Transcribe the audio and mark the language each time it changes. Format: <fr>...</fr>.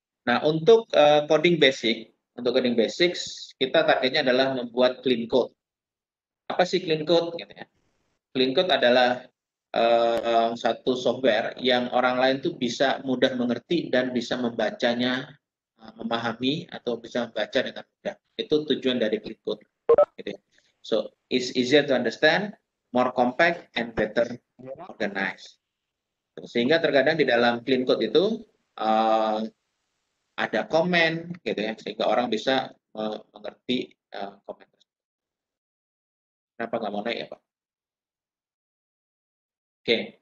<id>Nah, untuk coding basic kita targetnya adalah membuat clean code. Apa sih clean code gitu ya? Clean code adalah satu software yang orang lain tuh bisa mudah mengerti dan bisa membacanya, memahami atau bisa membaca dengan mudah. Itu tujuan dari clean code.</id> <en>So, it's easier to understand, more compact, and better organized.</en> <id>Sehingga terkadang di dalam clean code itu ada komen, gitu ya, sehingga orang bisa mengerti komen. Kenapa nggak mau naik ya, Pak? Oke.</id>